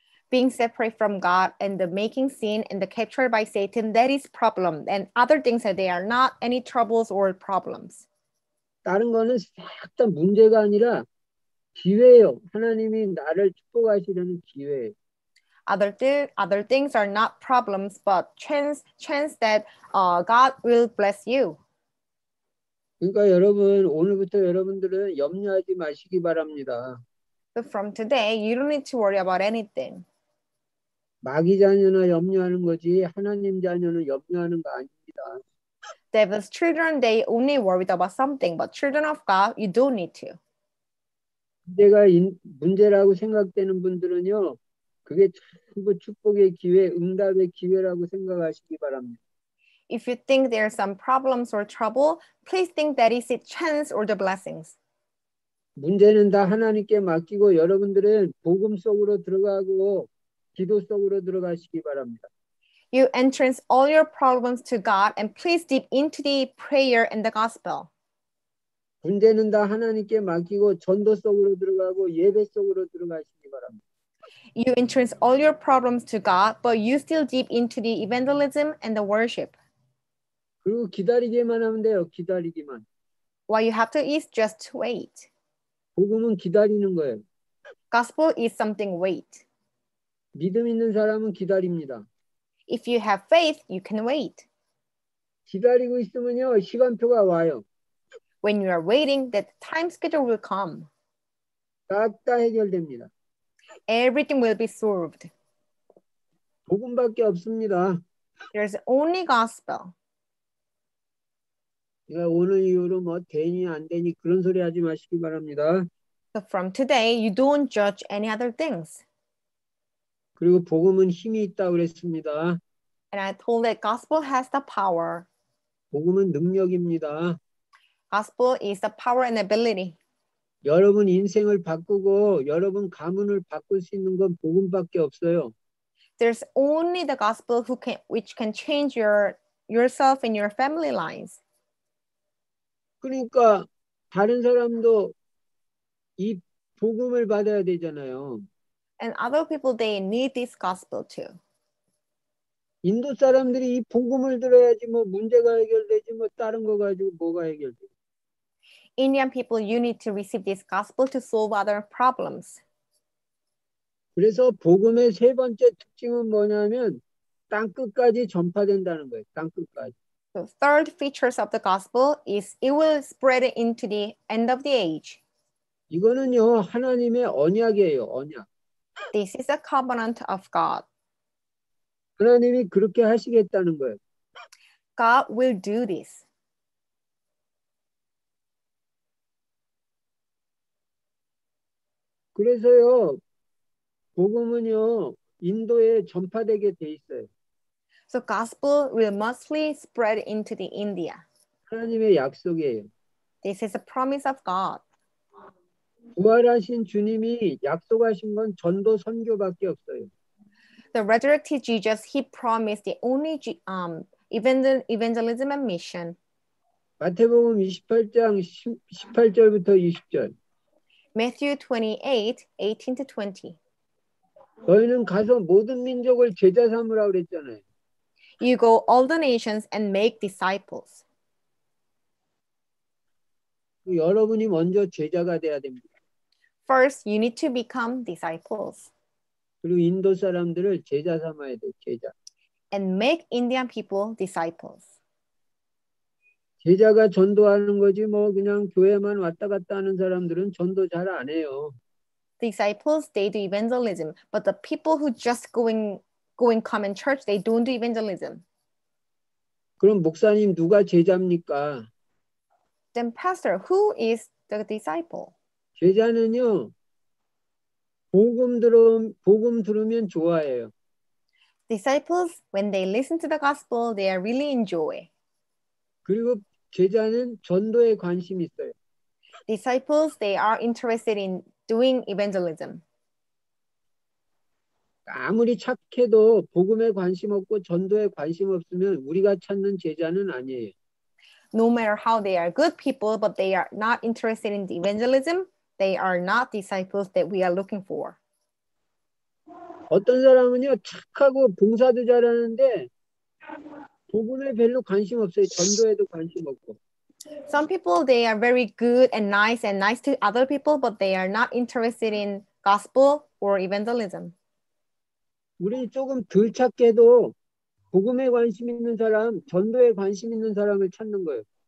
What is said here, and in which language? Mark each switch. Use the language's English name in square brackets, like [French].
[English] Being separate from God and the making sin and the capture by Satan, that is problem. And other things that they are not any troubles or problems. [Korean] 다른 거는 싹 다 문제가 아니라 기회예요. 하나님이 나를 축복하시려는 기회예요. [English] Other things are not problems, but chance that God will bless you. [Korean] 그러니까 여러분 오늘부터 여러분들은 염려하지 마시기 바랍니다. [English] So from today, you don't need to worry about anything. [Korean] 마귀 자녀나 염려하는 거지 하나님 자녀는 염려하는 거 아닙니다. [English] Devil's children, they only worried about something, but children of God, you don't need to. [Korean] 문제가 문제라고 생각되는 분들은요. 그게 전부 축복의 기회, 응답의 기회라고 생각하시기 바랍니다. [English] If you think there are some problems or trouble, please think that is a chance or the blessings. [Korean] 문제는 다 하나님께 맡기고 여러분들은 복음 속으로 들어가고 기도 속으로 들어가시기 바랍니다. [English] You entrance all your problems to God and please dip into the prayer and the gospel. [Korean] 문제는 다 하나님께 맡기고 전도 속으로 들어가고 예배 속으로 들어가시기 바랍니다. [English] You entrance all your problems to God, but you still deep into the evangelism and the worship. [Korean] 그리고 기다리기만 하면 돼요, 기다리기만. [English] What you have to is just wait. [Korean] 복음은 기다리는 거예요. [English] Gospel is something wait. [Korean] 믿음 있는 사람은 기다립니다. [English] If you have faith, you can wait. [Korean] 기다리고 있으면요, 시간표가 와요. [English] When you are waiting, that time schedule will come. [Korean] 딱 다 해결됩니다. [English] Everything will be solved. [Korean] 복음밖에 없습니다. [English] There's only gospel. [Korean] 내가 오늘 이후로 뭐 되니 안 되니 그런 소리 하지 마시기 바랍니다. [English] So from today, you don't judge any other things. [Korean] 그리고 복음은 힘이 있다 그랬습니다. [English] And I told that gospel has the power. [Korean] 복음은 능력입니다. [English] Gospel is the power and ability. [Korean] 여러분 인생을 바꾸고 여러분 가문을 바꿀 수 있는 건 복음밖에 없어요. [English] There's only the gospel which can change yourself and your family lines. [Korean] 그러니까 다른 사람도 이 복음을 받아야 되잖아요. [English] And other people they need this gospel too. [Korean] 인도 사람들이 이 복음을 들어야지 뭐 문제가 해결되지 뭐 다른 거 가지고 뭐가 해결돼. [English] Indian people, you need to receive this gospel to solve other problems. [Korean] 그래서 복음의 세 번째 특징은 뭐냐면 땅 끝까지 전파된다는 거예요. 땅 끝까지. [English] The third features of the gospel is it will spread into the end of the age. [Korean] 이거는요, 하나님의 언약이에요, 언약. [English] This is a covenant of God. [Korean] 하나님이 그렇게 하시겠다는 거예요. [English] God will do this. [Korean] 그래서요, 복음은요, 인도에 전파되게 돼 있어요. [English] So gospel will mostly spread into the India. [Korean] 하나님의 약속이에요. [English] This is a promise of God. [Korean] 부활하신 주님이 약속하신 건 전도 선교밖에 없어요. [English] The resurrected Jesus, he promised the only evangelism and mission. [Korean] 마태복음 28장 18절부터 20절. [English] Matthew 28, 18 to 20. [Korean] 너희는 가서 모든 민족을 제자 삼으라 그랬잖아요. [English] You go all the nations and make disciples. [Korean] 여러분이 먼저 제자가 돼야 됩니다. [English] First, you need to become disciples. [Korean] 그리고 인도 사람들을 제자 삼아야 돼, 제자. [English] And make Indian people disciples. [Korean] 제자가 전도하는 거지, 뭐, 그냥 교회만 왔다 갔다 하는 사람들은 전도 잘안 해요. [English] Disciples, they do evangelism, but the people who just going come in church, they don't do evangelism. [Korean] 그럼 목사님, 누가 제자입니까? [English] Then pastor, who is the disciple? [Korean] 제자는요, 복음 들으면 좋아해요. [English] Disciples, when they listen to the gospel, they really enjoy. [Korean] 그리고 제자는 전도에 관심 있어요. [English] Disciples, they are interested in doing evangelism. [Korean] 아무리 착해도 복음에 관심 없고 전도에 관심 없으면 우리가 찾는 제자는 아니에요. [English] No matter how they are good people, but they are not interested in the evangelism, they are not disciples that we are looking for. [Korean] 어떤 사람은요, 착하고 봉사도 잘하는데, 복음에 별로 관심 없어요. 전도에도 관심 없고. [English] Some people they are very good and nice to other people, but they are not interested in gospel or evangelism. [Korean] 우리 조금 덜 착해도, 복음에 관심 있는 사람, 전도에 관심 있는 사람을 찾는 거예요.